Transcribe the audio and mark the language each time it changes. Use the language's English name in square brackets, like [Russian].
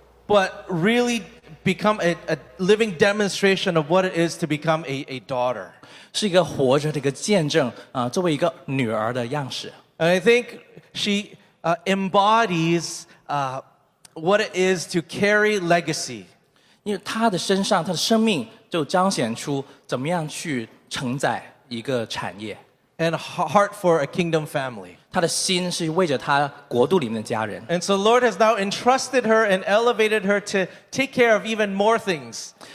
[English] But really become a living demonstration of what it is to become a daughter. [Chinese] 是一个活着的一个见证，作为一个女儿的样式。 [English] And I think she embodies what it is to carry legacy. [Chinese] 因为他的身上，他的生命就彰显出怎么样去承载一个产业。And [English] a heart for a kingdom family. [Chinese] 他的心是为着他国度里面的家人。And [English] so the Lord has now entrusted her and elevated her to take care of even more things.